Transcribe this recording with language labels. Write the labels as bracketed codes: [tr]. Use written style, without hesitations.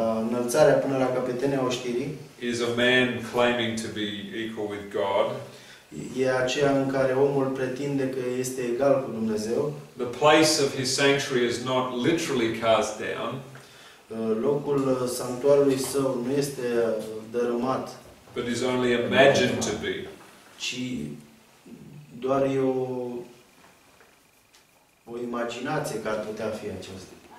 [ro] Înălțarea până la căpetenia oștirii. [en] Is a man claiming to be equal with God. [ro] E aceea în care omul pretinde că este egal cu Dumnezeu. [en] The place of his sanctuary is not literally cast down. [ro] Locul sanctuarului său nu este dărâmat. [en] But is only imagined to be. [ro] ci doar e o imaginație că ar putea fi aceasta.